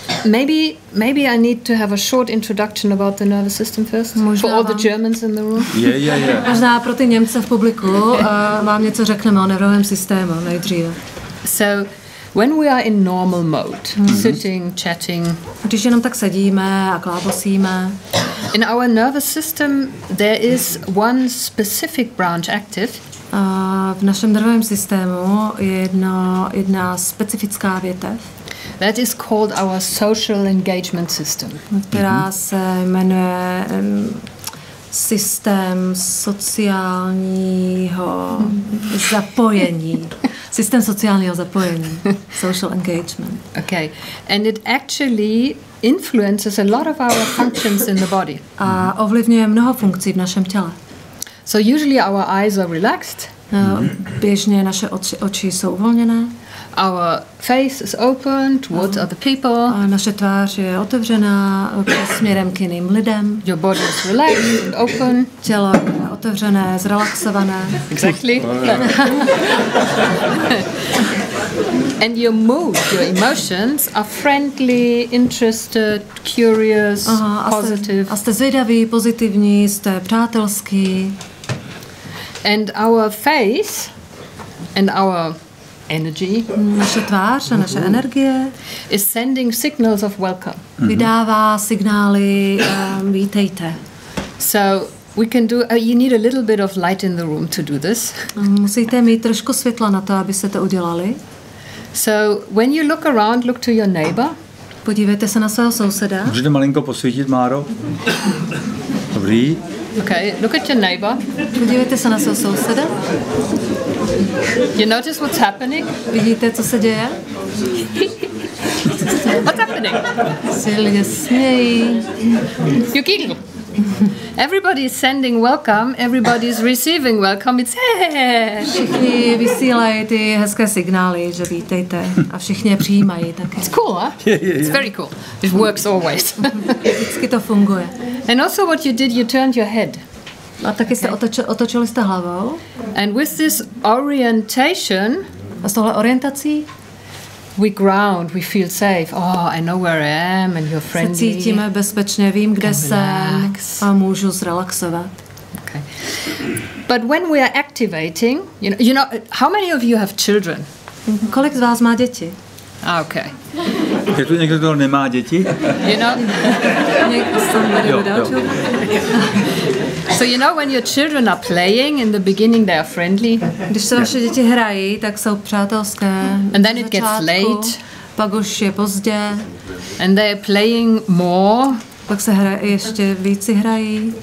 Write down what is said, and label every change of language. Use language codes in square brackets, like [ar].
[en] Maybe I need to have a short introduction about the nervous system first. [cs] Možná [en] for all the Germans in the room. Yeah. [cs] Možná pro ty Němce v publiku vám něco řekneme o nervovém systému nejdříve. [en] So, when we are in normal mode, sitting, chatting, [cs] když jenom tak sedíme a klábosíme, [en] in our nervous system there is one specific branch active. [cs] V našem nervovém systému je jedna specifická větev. [en] That is called our social engagement system. [cs] Která se jmenuje systém sociálního zapojení. Systém sociálního zapojení. [en] Social engagement. Okay. And it actually influences a lot of our functions in the body. [cs] A ovlivňuje mnoho funkcí v našem těle. [en] So usually our eyes are relaxed. [cs] Běžně naše oči jsou uvolněné. [en] Our face is open towards other people. [cs] A naše tvář je otevřená směrem k jiným lidem. [en] Your body is relaxed, open. [cs] Tělo je otevřené, zrelaxované. [en] Exactly. And your mood, your emotions are friendly, interested, curious, positive. [cs] A jste zvědavý, pozitivní, jste přátelský. [en] And our face and our energy, [cs] naše tvář a naše energie, [en] is sending signals of welcome. [cs] Vydává signály vítejte. [en] So we can do you need a little bit of light in the room to do this. [cs] Musíte mít trošku světla na to, abyste to udělali. [en] So when you look around, look to your neighbor. [cs] Podívejte se na svého souseda. Můžete malinko posvítit, Máro? Dobrý. [en] Okay, look at your neighbor. [cs] Podívejte se na svého souseda. [en] You notice what's happening? [cs] Vidíte, co se děje? [en] What's happening? [cs] Se lidé smějí. [en] You giggle. Everybody is sending welcome, everybody is receiving welcome. It's [cs] všichni vysílají ty hezké signály, že vítejte. A všichni je přijímají také. [en] It's cool, huh? Yeah. It's very cool. It works always. [cs] Vždycky to funguje. [en] And also what you did, you turned your head. [cs] A taky jste otočili jste hlavou. [en] And with this orientation, [cs] a s tohle orientací, [en] we ground, we feel safe. Oh, I know where I am and you're friendly. [cs] Se cítíme bezpečně, vím, kde jsem a můžu zrelaxovat. [en] Okay. But when we are activating, you know, how many of you have children? [cs] Kolik z vás má děti? [en] Okay. [cs] Je tu někdo, kdo nemá děti? [en] You know? [cs] Někdo sám nemá děti. [en] So you know when your children are playing in the beginning they are friendly. [cs] Když se vaše děti hrají, tak jsou přátelské. [en] And then it gets late. [cs] Pak už je pozdě. [en] And they are playing more. [cs] Pak se hrají ještě víc hrají.